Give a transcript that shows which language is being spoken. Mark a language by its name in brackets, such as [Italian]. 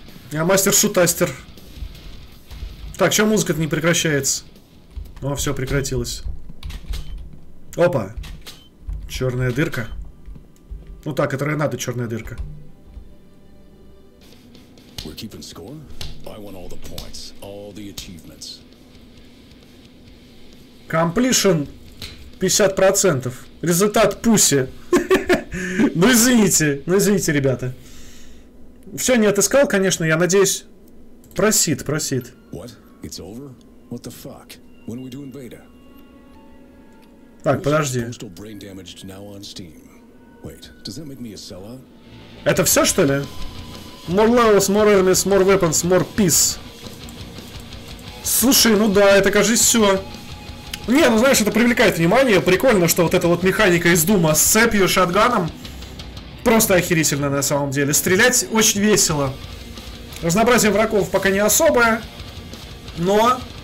[Russian] Я мастер-шутастер. Так, чё музыка-то не прекращается? О, все прекратилось. Опа. Черная дырка. Ну так, это и надо, черная дырка. [English] We're keeping score. I want all the points, all the achievements. Completion 50%. [Russian] Результат пуси. Ну извините, ну извините, ребята. Все не отыскал, конечно, я надеюсь. Просит, просит. [English] What? It's over? What the fuck? When are we doing beta? [Russian] Так, подожди. [English] Postal brain damaged now on Steam. Wait, does that make me a sellout? [Russian] Это все, что ли? [English] More levels, more armies, more weapons, more peace. [Russian] Слушай, ну да, это, кажется, все. Не, ну знаешь, это привлекает внимание. Прикольно, что вот эта вот механика из Дума с цепью, шотганом. Просто охерительно на самом деле. Стрелять очень весело. Разнообразие врагов пока не особое. Но...